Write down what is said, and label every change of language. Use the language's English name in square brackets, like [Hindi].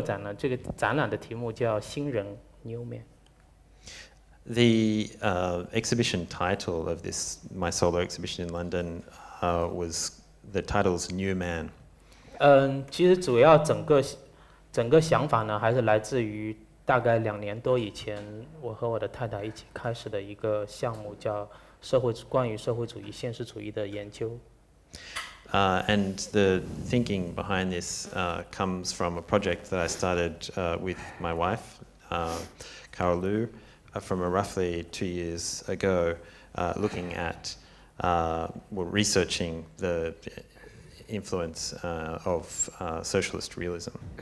[Chinese] 这个在伦敦的一个个展呢，这个展览的题目叫新人 New Man. [English] The exhibition title of this my solo exhibition in London was the title's New Man. [Chinese] 其实主要整个想法呢，还是来自于。大概两年多以前，我和我的太太一起开始的一个项目，叫社会关于社会主义现实主义的研究。 [English] And the thinking behind this comes from a project that I started with my wife, Carol Liu, from roughly 2 years ago, looking at, researching the influence of socialist realism.